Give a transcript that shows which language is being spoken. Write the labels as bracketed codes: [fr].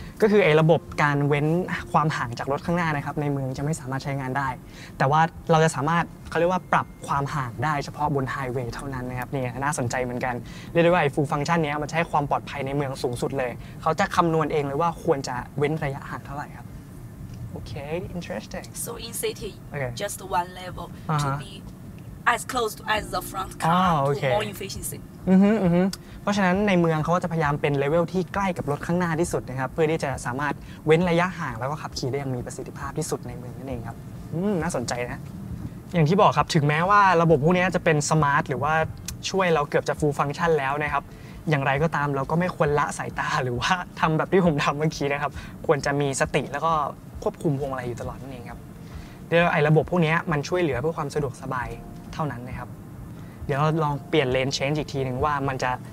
[th] ก็คือไอ้ระบบการเว้นความห่างจากรถข้างหน้านะครับในเมืองจะไม่สามารถใช้งานได้แต่ว่าเราจะสามารถเขาเรียกว่าปรับความห่างได้เฉพาะบนไฮเวย์เท่านั้นนะครับนี่น่าสนใจเหมือนกันเรียกได้ว่าไอ้ฟูลฟังก์ชันนี้มันใช้ความปลอดภัยในเมืองสูงสุดเลยเขาจะคำนวณเองเลยว่าควรจะเว้นระยะห่างเท่าไหร่ครับโอเค interesting. [en] So in city, okay. just one level to be as close as the front car to more efficiency. [th] เพราะฉะนั้นในเมืองเขาก็จะพยายามเป็นเลเวลที่ใกล้กับรถข้างหน้าที่สุดนะครับเพื่อที่จะสามารถเว้นระยะห่างแล้วก็ขับขี่ได้อย่างมีประสิทธิภาพที่สุดในเมืองนั่นเองครับน่าสนใจนะ อย่างที่บอกครับถึงแม้ว่าระบบพวกนี้จะเป็นสมาร์ทหรือว่าช่วยเราเกือบจะฟูลฟังก์ชันแล้วนะครับอย่างไรก็ตามเราก็ไม่ควรละสายตาหรือว่าทำแบบที่ผมทำเมื่อกี้นะครับควรจะมีสติแล้วก็ควบคุมพวงมาลัยอยู่ตลอดนั่นเองครับเดี๋ยวไอ้ระบบพวกนี้มันช่วยเหลือเพื่อความสะดวกสบายเท่านั้นนะครับเดี๋ยวเราลองเปลี่ยนเลนเชนจ์อีกทีนึงว่ามันจะ